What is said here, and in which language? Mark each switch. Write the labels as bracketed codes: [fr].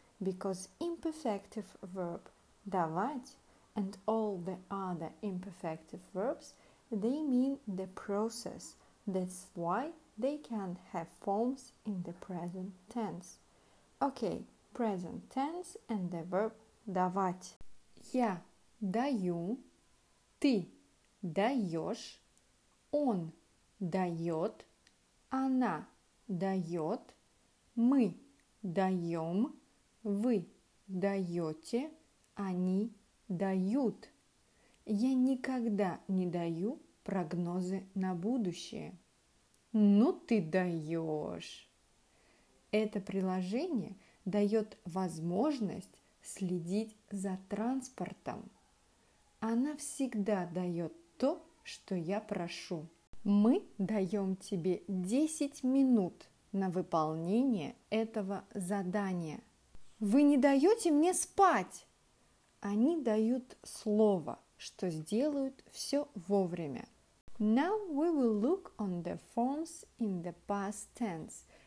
[en] Because imperfective verb давать and all the other imperfective verbs, they mean the process. That's why they can have forms in the present tense. Okay, present tense and the verb давать. [ru] Я даю, ты даешь, он дает, она дает, мы даем, вы даете, они дают. Я никогда не даю прогнозы на будущее. Ну ты даешь. Это приложение дает возможность следить за транспортом. Она всегда дает то, что я прошу. Мы даем тебе 10 минут на выполнение этого задания. Вы не даете мне спать. Они дают слово, что сделают все вовремя. [en] Now we will look on the forms in the past tense.